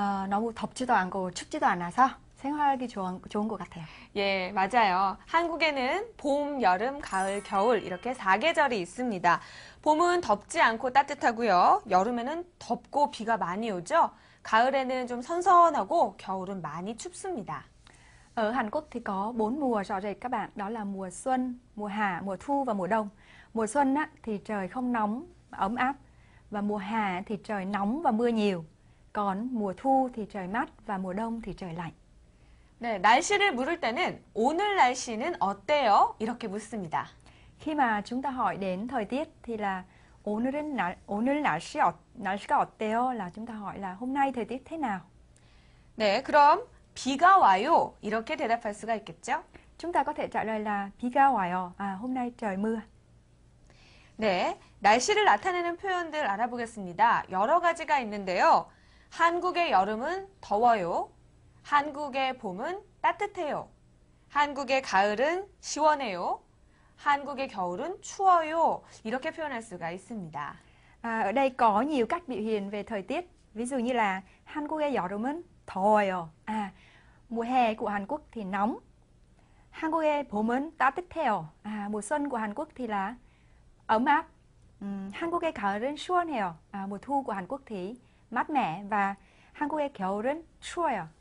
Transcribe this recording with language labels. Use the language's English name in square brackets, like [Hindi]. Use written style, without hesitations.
[Korean] 너무 덥지도 않고 춥지도 않아서 생활하기 좋은 것 같아요. 예, 맞아요. 한국에는 봄, 여름, 가을, 겨울 이렇게 사계절이 있습니다. 봄은 덥지 않고 따뜻하고요. 여름에는 덥고 비가 많이 오죠. 가을에는 좀 선선하고 겨울은 많이 춥습니다. [Vietnamese] Ở Hàn Quốc thì có bốn mùa rõ rệt các bạn, đó là mùa xuân, mùa hạ, mùa thu và mùa đông. Mùa xuân á, thì trời không nóng, ấm áp, và mùa hạ thì trời nóng và mưa nhiều. Còn mùa thu thì trời mát và mùa đông thì trời lạnh. [Korean] 네, 날씨를 물을 때는 오늘 날씨는 어때요? 이렇게 묻습니다. [Vietnamese] Khi mà chúng ta hỏi đến thời tiết thì là [Korean] 오늘은 오늘 날씨 날씨가 어때요? [Vietnamese] Là chúng ta hỏi là hôm nay thời tiết thế nào? [Korean] 네, 그럼 비가 와요. 이렇게 대답할 수가 있겠죠? [Vietnamese] Chúng ta có thể trả lời là [Korean] 비가 와요. [Vietnamese] 아, hôm nay trời mưa. [Korean] 네, 날씨를 나타내는 표현들 알아보겠습니다. 여러 가지가 있는데요. 한국의 여름은 더워요. 한국의 봄은 따뜻해요. 한국의 가을은 시원해요. 한국의 겨울은 추워요. 이렇게 표현할 수가 있습니다. [Vietnamese] 아, ở đây có nhiều cách biểu hiện về thời tiết. Ví dụ như là [Korean] 한국의 여름은 더워요. [Vietnamese] 아, mùa hè của Hàn Quốc thì nóng. [Korean] 한국의 봄은 따뜻해요. [Vietnamese] 아, mùa xuân của Hàn Quốc thì là ấm áp. [Korean] 한국의 가을은 시원해요. [Vietnamese] 아, mùa thu của Hàn Quốc thì mát mẻ. [Korean] Và 한국의 겨울은 추워요.